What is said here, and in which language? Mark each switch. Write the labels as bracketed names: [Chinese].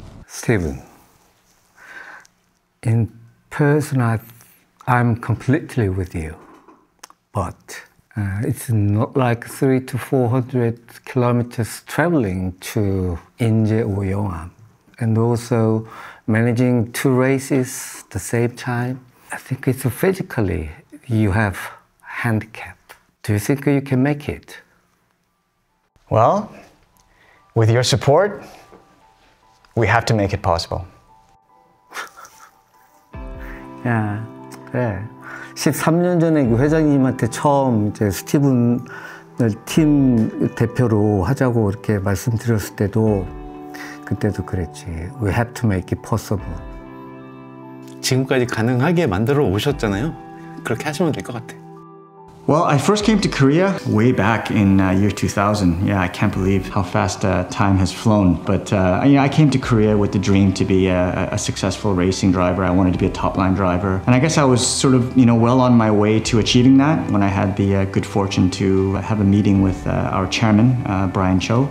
[English] Steven, in person, I'm completely with you, but it's not like 300 to 400 kilometers traveling to Inje or Yongam, and also managing 2 races at the same time. I think it's physically you have handicap. Do you think you can make it? Well, with your support, we have to make it possible. [Korean] Yeah, 그래. 13년 전에 그 회장님한테 처음 이제 스티븐을 팀 대표로 하자고 이렇게 말씀드렸을 때도 그때도 그랬지. [English] We have to make it possible. [Korean] 지금까지 가능하게 만들어 오셨잖아요. 그렇게 하시면 될 것 같아. [English] Well, I first came to Korea way back in year 2000. Yeah, I can't believe how fast time has flown. But you know, I came to Korea with the dream to be a successful racing driver. I wanted to be a top line driver. And I guess I was sort of, you know, well on my way to achieving that when I had the good fortune to have a meeting with our chairman, Brian Cho.